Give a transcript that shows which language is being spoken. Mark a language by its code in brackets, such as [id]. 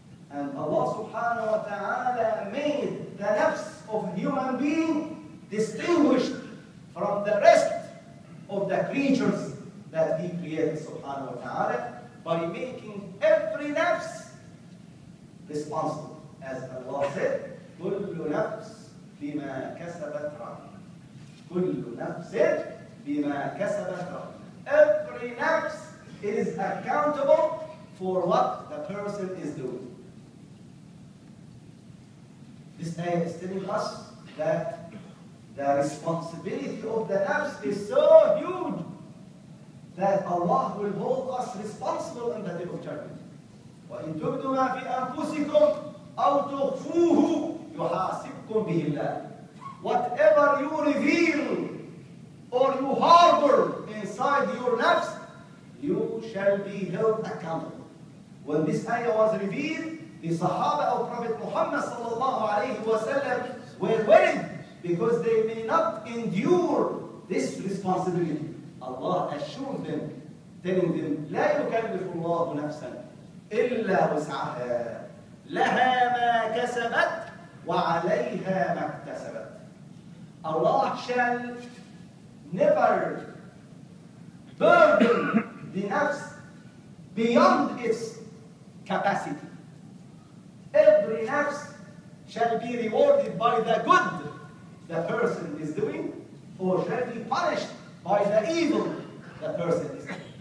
[en] And Allah subhanahu wa ta'ala made the nafs of a human being distinguished from the rest of the creatures that he created subhanahu wa ta'ala by making every nafs responsible. As Allah said, [ar] كُلُّ نَفْس بِمَا كَسَبَتْ رَعْمًا. كُلُّ نَفْس بِمَا كَسَبَتْ رَعْمًا. [en] Every nafs is accountable for what the person is doing. This ayah is telling us that the responsibility of the nafs is so huge that Allah will hold us responsible in the day of judgment. [ar] وَإِن تُبْدُوا مَا فِي أَنفُسِكُمْ أَوْ تُخْفُوهُ يُحَاسِبْكُمْ بِهِ اللَّهِ. [en] Whatever you reveal or you harbor inside your nafs, you shall be held accountable. When this ayah was revealed, the Sahaba of Prophet Muhammad sallallahu alayhi wa sallam were worried because they may not endure this responsibility. Allah assured them, telling them, [ar] لَا يُكَلِّفُ اللَّهُ نَفْسًا إِلَّا وُسْعَهَا لَهَا مَا كَسَبَتْ وَعَلَيْهَا مَا اكْتَسَبَتْ. [en] Allah shall never burden the nafs beyond its capacity. Every nafs shall be rewarded by the good the person is doing, or shall be punished by the evil the person is doing.